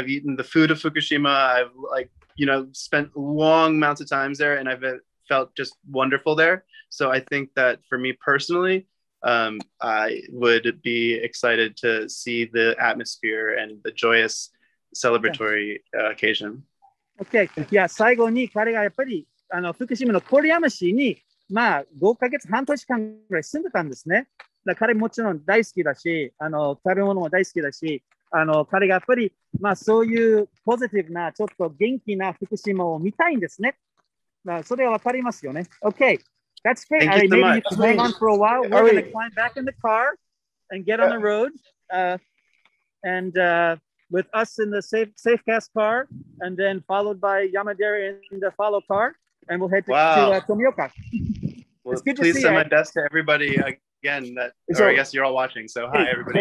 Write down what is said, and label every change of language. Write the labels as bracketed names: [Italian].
[English] I've eaten the food of Fukushima. I've like, you know, spent long amounts of times there and I've felt just wonderful there. So I think that for me personally, I would be excited to see the atmosphere and the joyous celebratory occasion. Okay. [Japanese] Yeah, 最後に彼がやっぱりあの福島の郡山市にまあ5ヶ月半年間ぐらい住んでたんですね。だから彼もちろん大好きだし、あの食べ物も大好きだし、あの彼がやっぱりまあそういうポジティブなちょっと元気な福島を見たいんですね。まあそれはわかりますよね。 [English] Okay. That's great. Thank you so maybe much. You can hang on for a while. We're going to climb back in the car and get on the road and with us in the Safecast car and then followed by Yamadera in the follow car and we'll head to Tomioka. Well, it's good to see you. Please send my best to everybody again. I guess you're all watching. So hi, everybody.